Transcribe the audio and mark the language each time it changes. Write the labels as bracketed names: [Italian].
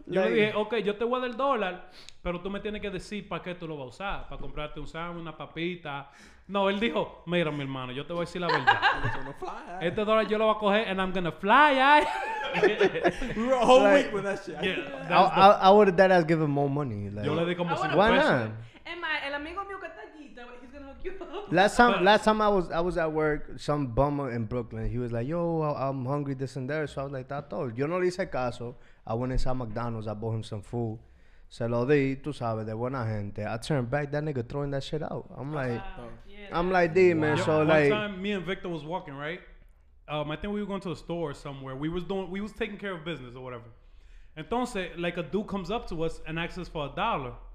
[Spanish] Yo le dije, okay, yo te voy a dar el dólar, pero tú me tienes que decir para qué tú lo vas a usar, para comprarte un sándwich, una papita. No, él dijo, mira, mi hermano, yo te voy a decir la verdad. Este dólar yo lo voy a coger [English] and I'm going to fly. We were a whole week with that shit. Yeah, I would have dead ass given more money. Like, [Spanish] yo le di como [English] 50. Why not? Am [Spanish] I, el amigo mío que está allí, [English] he's going to hook you up. Last time I was at work, some bummer in Brooklyn, he was like, yo, I'm hungry, this and there. So I was like, [Spanish] tato, yo no le hice caso. [English] I went inside McDonald's, I bought him some food. [Spanish] Se lo di, tú sabes, de buena gente. [English] I turned back, that nigga throwing that shit out. I'm like, man. Yo, so one like, one time, me and Victor was walking, right? I think we were going to a store or somewhere. We was taking care of business or whatever. Entonces, like a dude comes up to us and asks us for a dollar.